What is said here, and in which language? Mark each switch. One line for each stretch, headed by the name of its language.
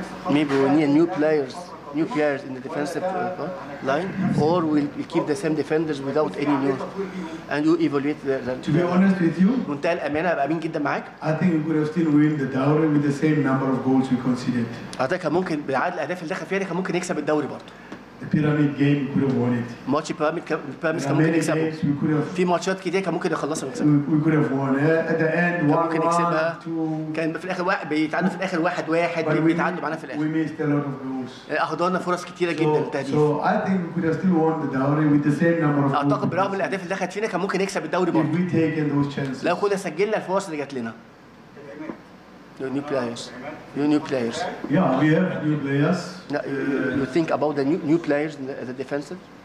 English: Maybe we need new players in the defensive line, or will we keep the same defenders without any new, and you evaluate them? To be honest with you, I think we could have still win the dowry with the same number of goals we conceded.
Arabic: أعتقد ممكن بعد الأهداف اللي دخل فيها كان ممكن يكسب الدوري برضو.
English: The pyramid game could have won it.
Arabic: ماتش بيراميد كان ممكن يكسبه. في ماتشات كتير كان ممكن يخلصها ويكسبها.
English: We could have won it. At the end, one,
Arabic: ممكن يكسبها. كان في الآخر واحد بيتعادل في الآخر 1-1 بيتعادل معانا في الآخر.
English: We missed a lot of goals.
Arabic: أخذنا فرص كتيرة جدا للتهديف.
English: So I think we could have still won the dowry with the same number of goals.
Arabic: أعتقد برغم الأهداف اللي دخلت فينا كان ممكن يكسب الدوري برضه.
English: If we taken those chances.
Arabic: لو كنا سجلنا الفرص اللي جات لنا.
English: New players. Yeah, we have new players. No, you think about the new players in the defensive?